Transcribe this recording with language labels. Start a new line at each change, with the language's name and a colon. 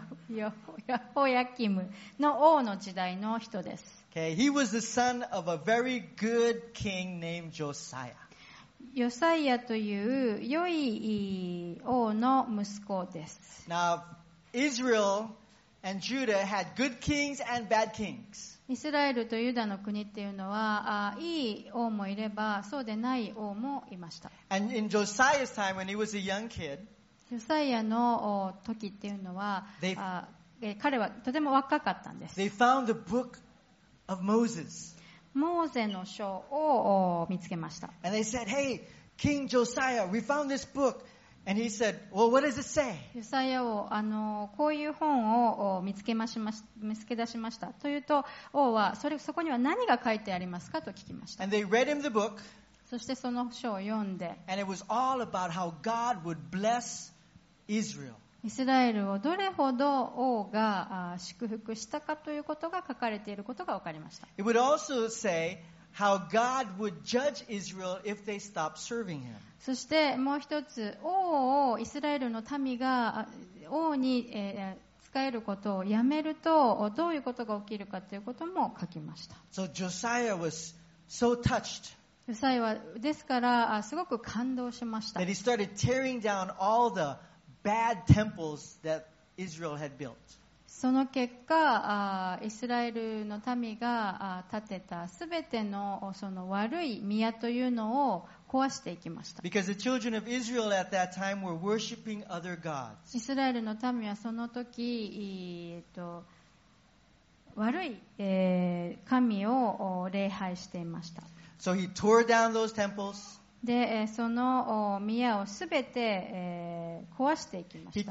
Japanese: ヨホイアキムの王の時代の人です。 Okay.
English: He was the son of a very good king named Josiah.
Japanese: ヨサイヤという良い王の息子です。
English: Now, Israel and Judah had good kings and bad kings.
Japanese: イスラエルとユダの国っていうのは、いい王もいれば、そうでない王もいました。
English: And in Josiah's time, when he was a young kid,
Japanese: ヨサイヤの時っていうのは、彼はとても若かったんです。
English: They found the book. Of Moses.
Japanese: モーゼの書を見つけました。
English: And they said, "Hey, King Josiah, we found this book, And he said, well, what does it say?
Japanese: ユサヤ王、こういう本を見つけ出しました。というと、王は、そこには何が書いてありますかと聞きました。
English: And they read him the book,
Japanese: そしてその書を読んで、
English: And it was all about how God would bless Israel.
Japanese: イスラエルをどれほど王が祝福したかということが書かれていることが分かりました。
English: It would also say how God would judge Israel if they stopped serving him.
Japanese: そしてもう一つ、王をイスラエルの民が王に仕えることをやめるとどういうことが起きるかということも書きました。
English: So Josiah was so touched.
Japanese: ヨサヤはですからすごく感動しました。
English: That he started tearing down all the bad temples that Israel had built.
Japanese: その結果、イスラエルの民が建てたすべてのその悪い宮というのを壊していきました。
English: Because the children of Israel at that time were worshiping other gods.
Japanese: イスラエルの民はその時、悪い、神を礼拝していました。
English: So he tore down those temples.
Japanese: でその宮をすべて、壊していきました。